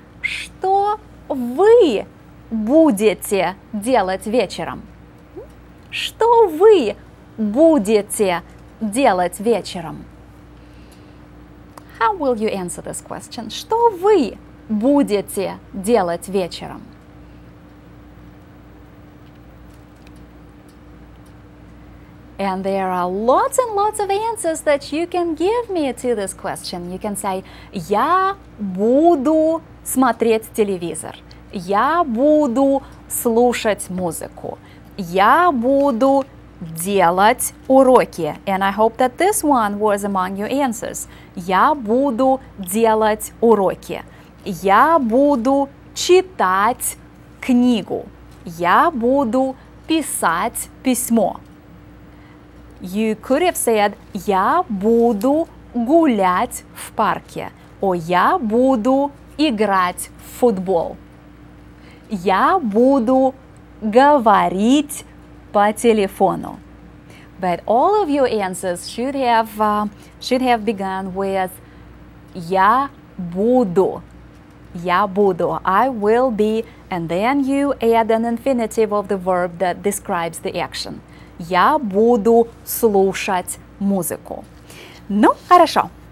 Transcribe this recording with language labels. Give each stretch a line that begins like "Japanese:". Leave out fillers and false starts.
Russian: Что вы будете делать вечером? Что вы будете делать вечером?
English: How will you answer this question?
Russian: Что вы будете делать вечером?
English: And there are lots and lots of answers that you can give me to this question. You can say,
Russian: я буду смотреть телевизор. Я буду слушать музыку. Я буду делать уроки.
English: And I hope that this one was among your answers.
Russian: Я буду делать уроки. Я буду читать книгу. Я буду писать письмо.
English: You could have said,
Russian: я буду гулять в парке. Or, я буду играть в футбол. Я буду говорить по телефону.
English: But all of your answers should have begun with,
Russian: я буду. Я буду.
English: I will be. And then you add an infinitive of the verb that describes the action.
Russian: Я буду слушать музыку. Ну, хорошо.